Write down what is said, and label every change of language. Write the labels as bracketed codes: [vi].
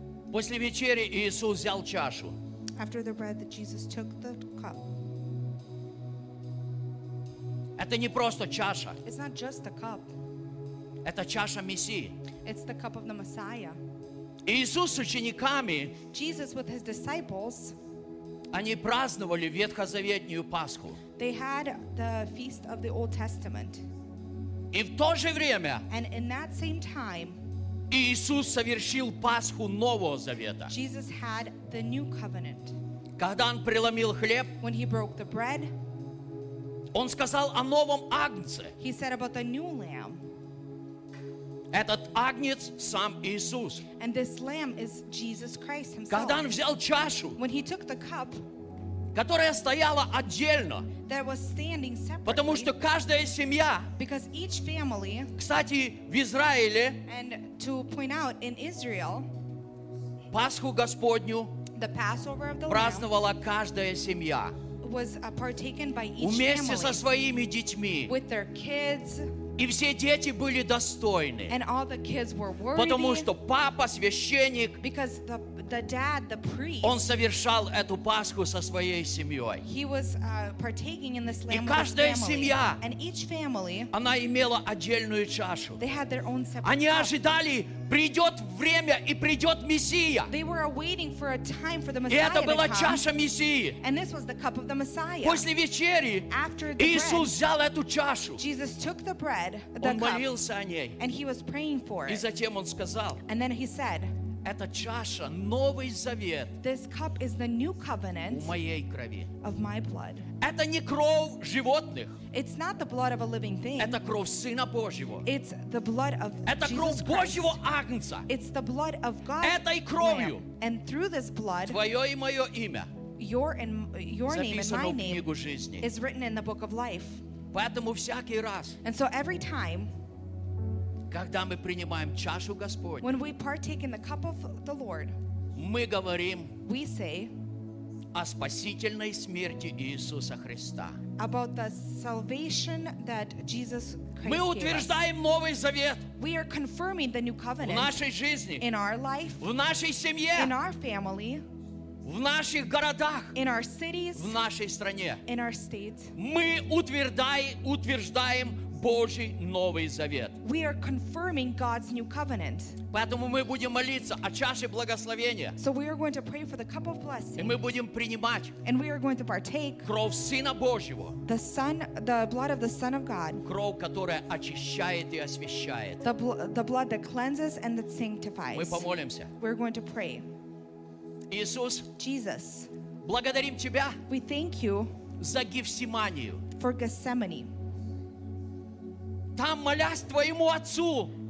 [ru] После вечери Иисус взял чашу. [en] After the bread, Jesus took the cup. [ru] Это не просто чаша. [en] It's not just a cup. [ru] Это чаша Мессии. [en] It's the cup of the Messiah. [ru] Иисус с учениками, [en] Jesus with his disciples, [ru] они праздновали ветхозаветную Пасху. [en] They had the feast of the Old Testament. [ru] И в то же время, [en] and in that same time, [ru] Иисус совершил Пасху Нового Завета. [en] Jesus had the new covenant. [ru] Когда Он преломил хлеб, [en] when he broke the bread, [ru] Он сказал о новом Агнце. [en] He said about the new lamb. [ru] Этот Агнец – сам Иисус. [en] And this lamb is Jesus Christ himself. [ru] Когда Он взял чашу, [en] when he took the cup, [ru] которая стояла отдельно, [en] that was standing separately, [ru] потому что каждая семья, [en] because each family, [ru] кстати, в Израиле, [en] and to point out, in Israel, [ru] Пасху Господню [en] the Passover of the [ru] праздновала [en] lamb, [ru] каждая семья. [en] was partaken by each [ru] вместе [en] family, [ru] со своими детьми. [en] With their kids, [ru] и все дети были достойны. [en] And all the kids were worthy, [ru] потому что папа, священник, [en] because the dad, the priest, [ru] он совершал эту Пасху со своей семьей. [en] He was, partaking in this lamb [ru] и каждая семья, [en] and each family, [ru] она имела отдельную чашу. [en] They had their own separate [ru] они ожидали, придет время и придет Мессия. [en] They were waiting for a time for the Messiah [ru] и это была [en] to come, [ru] чаша Мессии. [en] And this was the cup of the Messiah. [ru] После вечери [en] after the [ru] Иисус взял эту чашу. [en] Jesus took the bread, [ru] the он молился о ней. [en] And he was praying for [ru] и затем он сказал, [en] and then he said, [ru] эта чаша — Новый Завет [en] this cup is the new covenant [ru] в моей крови. [en] Of my blood. [ru] Это не кровь животных. [en] It's not the blood of a living thing. [ru] Это кровь Сына Божьего. [en] It's the blood of [ru] это [en] Jesus [ru] кровь [en] Christ. [ru] Божьего Агнца. [en] It's the blood of God's [ru] этой кровью. [en] Lamb. And through this blood, [ru] твое и мое имя [en] your name [ru] записано [en] and my [ru] в книгу жизни. [en] Is written in the book of life. [ru] Поэтому всякий раз, [en] and so every time, [ru] когда мы принимаем чашу Господню, [en] when we partake in the cup of the Lord, [ru] мы говорим, [en] we say, [ru] о спасительной смерти Иисуса Христа. [en] About the salvation that Jesus Christ [ru] мы утверждаем [en] gave us. [ru] Новый Завет. [en] We are confirming the new covenant [ru] в нашей жизни, [en] in our life, [ru] в нашей семье, [en] in our family, [ru] в наших городах, [en] in our cities, [ru] в нашей стране. [en] In our state. [ru] Мы утверждаем Божий Новый Завет. [en] We are confirming God's new covenant. [ru] Поэтому мы будем молиться о чаше благословения. [en] So we are going to pray for the cup of blessing. [ru] И мы будем принимать. [en] And we are going to partake. [ru] Кровь Сына Божьего. [en] The Son, the blood of the Son of God. [ru] Кровь, которая очищает и освящает. [en] The blood that cleanses and that sanctifies. [ru] Мы помолимся. [en] We are going to pray. [ru] Иисус. [en] Jesus. [ru] Благодарим тебя. [en] We thank you. [ru] За Гефсиманию. [en] For Gethsemane. [ru] Там молясь твоему отцу.